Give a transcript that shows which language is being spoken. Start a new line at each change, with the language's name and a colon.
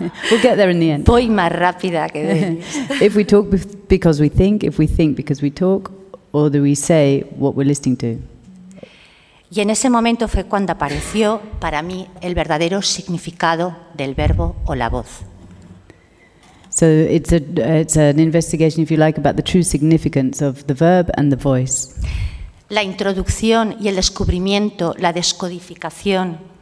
English: We'll get there in the end.
Spanish: Voy más rápida que veis.
English: If we talk because we think, if we think because we talk, or do we say what we're listening to?
Spanish: Y en ese momento fue cuando apareció para mí el verdadero significado del verbo o la voz.
English: So it's an investigation, if you like, about the true significance of the verb and the voice.
Spanish: La introducción y el descubrimiento, la descodificación.